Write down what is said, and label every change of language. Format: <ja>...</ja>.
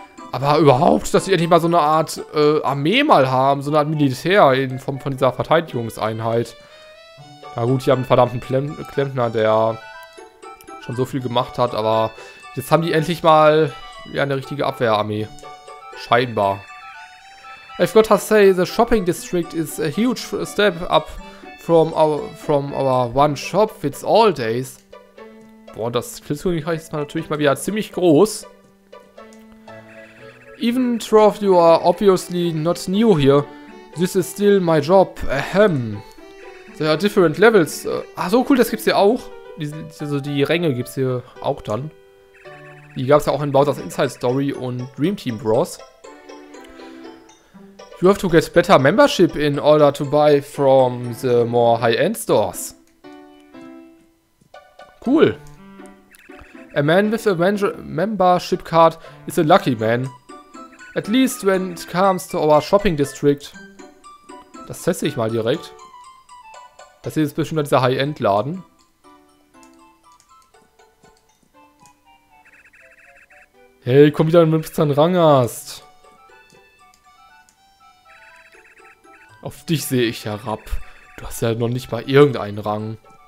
<de>Aber überhaupt, dass sie endlich mal so eine Art Armee mal haben, so eine Art Militär in Form von dieser Verteidigungseinheit. Na gut, die haben einen verdammten Klempner, der... schon so viel gemacht hat, aber jetzt haben die endlich mal ja, eine richtige Abwehrarmee. Scheinbar.</de> <en>I've got to say, the shopping district is a huge step up from our one shop fits all days.</en> <de>Boah, das Klitzkönigreich ist natürlich mal wieder ziemlich groß.</de> <en>Even though you are obviously not new here, this is still my job. Ahem. There are different levels.</en> <de>Ach so, cool, das gibt's hier auch. Die Ränge gibt es hier auch dann. Die gab es ja auch in Bowser's Inside Story und Dream Team Bros.</de> <en>You have to get better membership in order to buy from the more high-end stores. Cool. A man with a membership card is a lucky man. At least when it comes to our shopping district.</en> <de>Das teste ich mal direkt. Das hier ist bestimmt dieser High-End-Laden. Hey, komm wieder, wenn du einen Rang hast. Auf dich sehe ich herab. Du hast ja noch nicht mal irgendeinen Rang.</de>